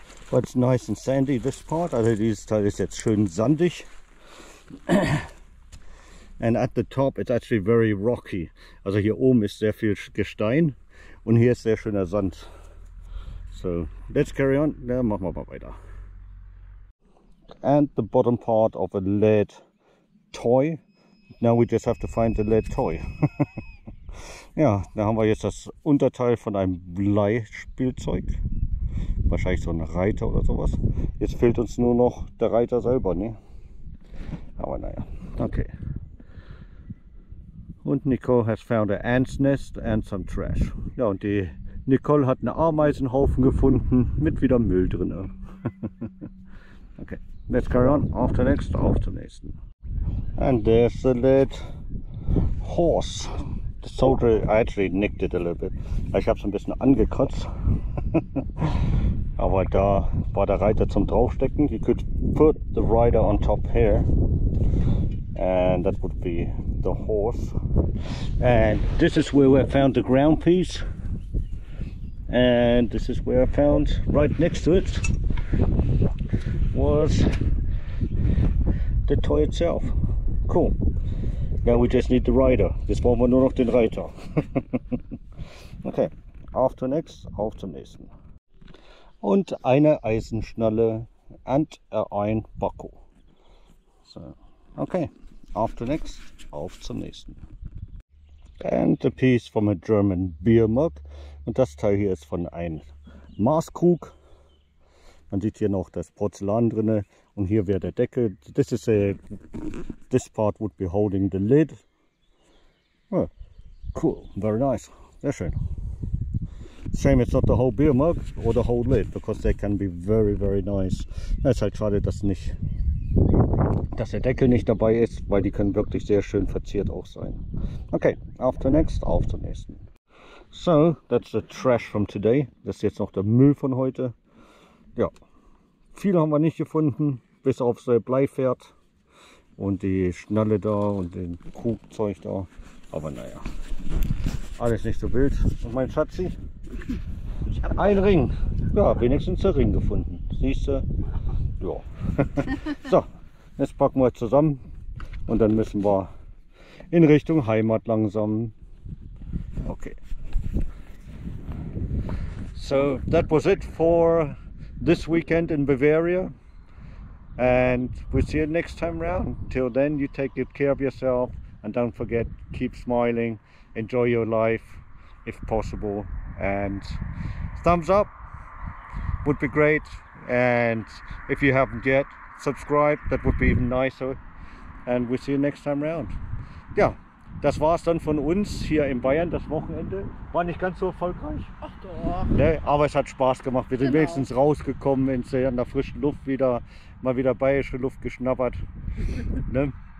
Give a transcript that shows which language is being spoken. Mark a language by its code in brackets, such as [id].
[en] But it's nice and sandy, this part. [de] Also dieses Teil ist jetzt schön sandig. [en] And at the top it's actually very rocky. [de] Also hier oben ist sehr viel Gestein und hier ist sehr schöner Sand. [en] So let's carry on. [de] Ja, machen wir mal weiter. [en] And the bottom part of a lead toy. Now we just have to find the lead toy. [de] Ja, da haben wir jetzt das Unterteil von einem Bleispielzeug. Wahrscheinlich so ein Reiter oder sowas. Jetzt fehlt uns nur noch der Reiter selber, ne? Aber naja, okay. [en] Und Nicole has found an ant's nest and some trash. [de] Ja, und die Nicole hat einen Ameisenhaufen gefunden mit wieder Müll drin. [en] Okay, let's carry on. [de] Auf zum nächsten, auf zum nächsten. [en] And there's the lead horse. The soldier, I actually nicked it a little bit. [de] Ich hab's ein bisschen angekotzt. Aber da war der Reiter zum draufstecken. [en] You could put the rider on top here. And that would be the horse. And this is where I found the ground piece. And this is where I found, right next to it, was the toy itself. Cool. Now we just need the rider. [de] Jetzt brauchen wir nur noch den Reiter. Okay, auf zum nächsten, auf zum nächsten. Und eine Eisenschnalle und ein Bakko. So, okay, auf zum nächsten, auf zum nächsten. [en] And a piece from a German beer mug. [de] Und das Teil hier ist von einem Maßkrug. Man sieht hier noch das Porzellan drinne. Und hier wäre der Deckel. [en] This is a, this part would be holding the lid. Oh, cool, very nice. [de] Sehr schön. [en] Shame it's not the whole beer mug or the whole lid, because they can be very, very nice. [de] Es ist halt schade, dass nicht, dass der Deckel nicht dabei ist, weil die können wirklich sehr schön verziert auch sein. Okay, auf zum nächsten, auf zum nächsten. [en] So, that's the trash from today. [de] Das ist jetzt noch der Müll von heute. Ja, viele haben wir nicht gefunden, bis auf so ein Bleifährt und die Schnalle da und den Krugzeug da. Aber naja, alles nicht so wild. Und mein Schatzi? Ein Ring. Ja, wenigstens der Ring gefunden. Siehst du? Ja. So, jetzt packen wir zusammen und dann müssen wir in Richtung Heimat langsam. Okay. [en] So, that was it for this weekend in Bavaria. And we'll see you next time round. Till then, you take good care of yourself. And don't forget, keep smiling, enjoy your life, if possible. And thumbs up would be great. And if you haven't yet, subscribe, that would be even nicer. And we'll see you next time around. [de] Ja, das war's dann von uns hier in Bayern, das Wochenende. War nicht ganz so erfolgreich. Ach doch. Ne? Aber es hat Spaß gemacht. Wir sind genau. Wenigstens rausgekommen, in der frischen Luft wieder, mal wieder bayerische Luft geschnappert. Ne?